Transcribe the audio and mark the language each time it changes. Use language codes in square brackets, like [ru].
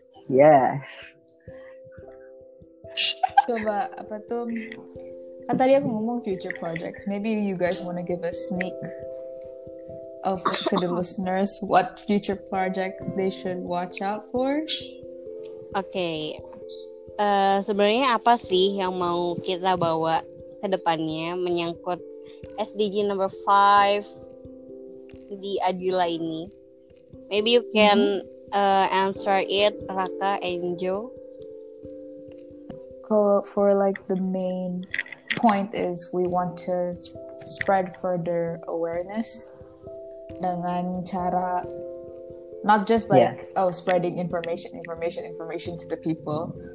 [en] Yes. Coba apa tuh? Tadi aku ngomong future projects. Maybe you guys want to give a sneak of to the listeners what future projects they should watch out for? Okay. [id] Sebenarnya apa sih yang mau kita bawa ke depannya menyangkut SDG number 5 di Adula ini? [en] Maybe you can answer it, Raka and Joe. For like the main point is we want to spread further awareness dengan cara not just like spreading information to the people.